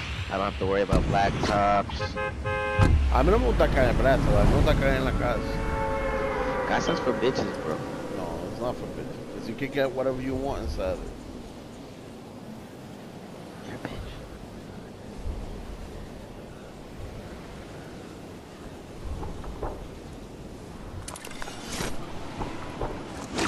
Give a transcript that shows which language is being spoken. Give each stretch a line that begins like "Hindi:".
English: I don't have to worry about black tops.
Spanish: A mí no me gusta caer en brazos, a mí me gusta caer en la casa.
English: Casa's for bitches, bro. No, it's not for bitches. Because you can get whatever you want inside it. You're a bitch.